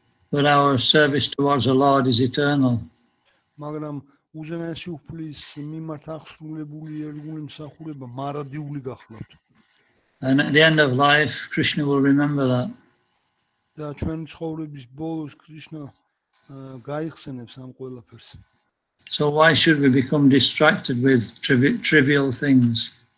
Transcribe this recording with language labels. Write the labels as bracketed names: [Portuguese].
[English] But our service towards the Lord is eternal. [Georgian] მაგრამ უზენაესი უფლის მიმართ აღსრულებული ერთგული მსახურება მარადიული გახლავთ. [English] And at the end of life Krishna will remember that. [Georgian] და ჩვენი ცხოვრების ბოლოს კრიშნა გაიხსენებს ამ ყველაფერს. [English] So why should we become distracted with trivial things?